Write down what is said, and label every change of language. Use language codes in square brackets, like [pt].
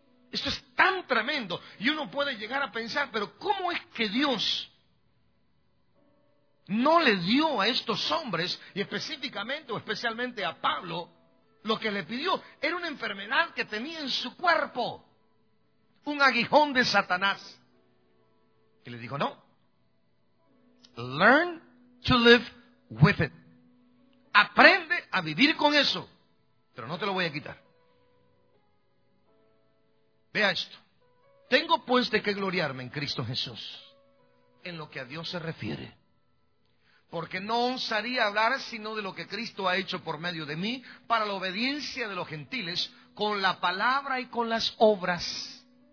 [es] Esto es tan tremendo. Y uno puede llegar a pensar, pero ¿cómo es que Dios no le dio a estos hombres, y específicamente o especialmente a Pablo, lo que le pidió? Era una enfermedad que tenía en su cuerpo, un aguijón de Satanás. Y le dijo, no, [en] learn to live with it. [es] Aprende a vivir con eso, pero no te lo voy a quitar. Vea esto, tengo pues de qué gloriarme en Cristo Jesús, en lo que a Dios se refiere. Porque no osaría hablar sino de lo que Cristo ha hecho por medio de mí para la obediencia de los gentiles con la palabra y con las obras.